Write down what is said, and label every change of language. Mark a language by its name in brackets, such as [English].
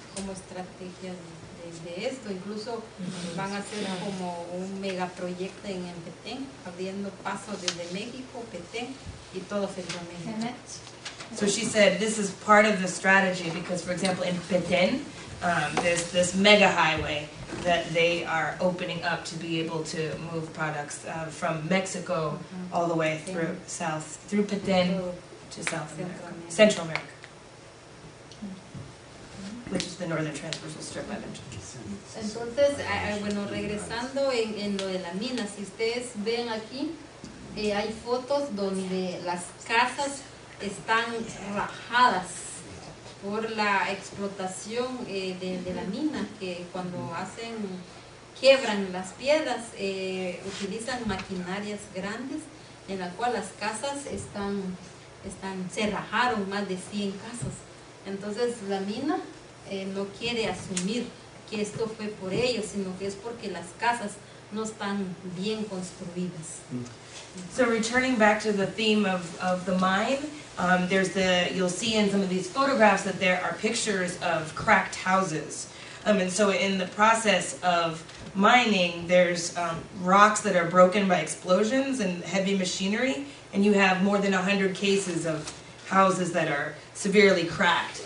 [Spanish] Como estrategia de esto, incluso van a hacer como un megaproyecto en el Petén, abriendo paso desde México, Petén, y todo Centroamérica. [English] So she said this is part of the strategy because, for example, in Petén, there's this mega highway that they are opening up to be able to move products from Mexico all the way through south, through Petén to South America, Central America, which is the northern transversal strip I mentioned. [Spanish] Entonces, regresando en lo de la mina, si ustedes ven aquí, hay fotos donde las casas están rajadas por la explotación de la mina, que cuando hacen, quiebran las piedras, utilizan maquinarias grandes, en la cual las casas están se rajaron más de 100 casas. Entonces la mina no quiere asumir que esto fue por ellos, sino que es porque las casas no están bien construidas. [English] So returning back to the theme of the mine, you'll see in some of these photographs that there are pictures of cracked houses. And so in the process of mining, there's rocks that are broken by explosions and heavy machinery, and you have more than 100 cases of houses that are severely cracked.